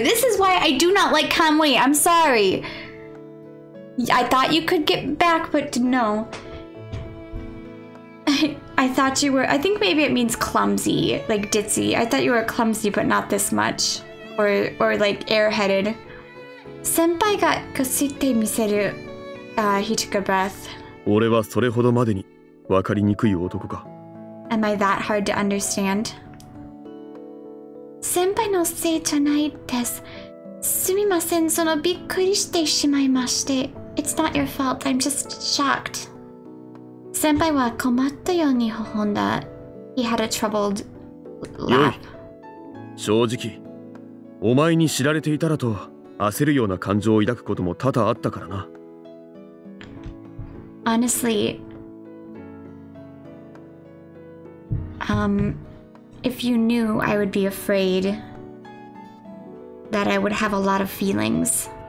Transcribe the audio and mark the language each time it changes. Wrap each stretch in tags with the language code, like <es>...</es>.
<en>This is why I do not like Kamui. I'm sorry. I thought you could get back, but no. I thought you were. I think maybe it means clumsy, like ditzy. I thought you were clumsy, but not this much. Or like airheaded.</en> <ja>先輩がこすってみせる。</ja> <en>He took a breath.</en> <ja>俺はそれほどまでに分かりにくい男か。</ja> <en>Am I that hard to understand?</en> <ja>先輩のせいじゃないです。すみません、そのびっくりしてしまいまして。</ja> <en>It's not your fault, I'm just shocked.</en> <ja>先輩は困ったように微笑んだ。</ja> <en>He had a troubled laugh.</en> <ja>よい。正直、お前に知られていたらと焦るような感情を抱くことも多々あったからな。</ja> <en>Honestly,if you knew, I would be afraid that I would have a lot of feelings.</en>